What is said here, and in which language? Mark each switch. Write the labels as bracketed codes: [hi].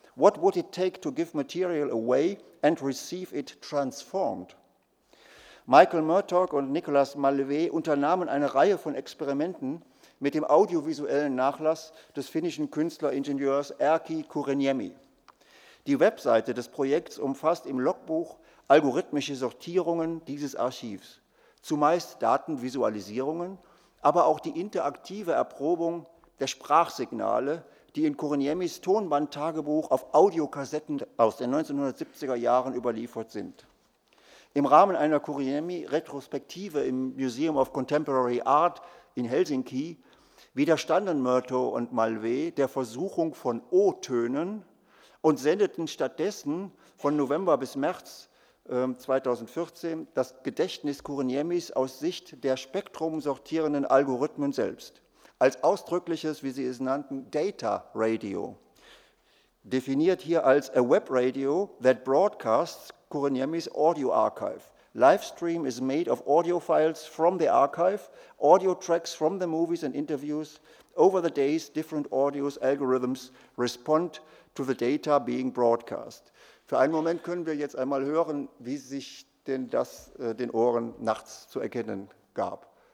[en] What would it take to give material away and receive it transformed?" [de] Michael Murtagh und Nicolas Malevé unternahmen eine Reihe von Experimenten mit dem audiovisuellen Nachlass des finnischen Künstleringenieurs Erkki Kuriniemi. Die Webseite des Projekts umfasst im Logbuch algorithmische Sortierungen dieses Archivs, zumeist Datenvisualisierungen, aber auch die interaktive Erprobung der Sprachsignale, die in Kuriniemis Tonbandtagebuch auf Audiokassetten aus den 1970er Jahren überliefert sind. Im Rahmen einer Kuriniemi-Retrospektive im Museum of Contemporary Art in Helsinki widerstanden Murtagh und Malevé der Versuchung von O-Tönen und sendeten stattdessen von November bis März 2014 das Gedächtnis Kuriniemis aus Sicht der spektrumsortierenden Algorithmen selbst. Als ausdrückliches, wie sie es nannten, Data Radio, definiert hier als [en] a web radio that broadcasts Kuriniemis audio archive. Livestream is made of audio files from the archive, audio tracks from the movies and interviews. Over the days, different audios algorithms respond to the data being broadcast. [de] Für einen Moment können wir jetzt einmal hören, wie sich denn das den Ohren nachts zu erkennen gab.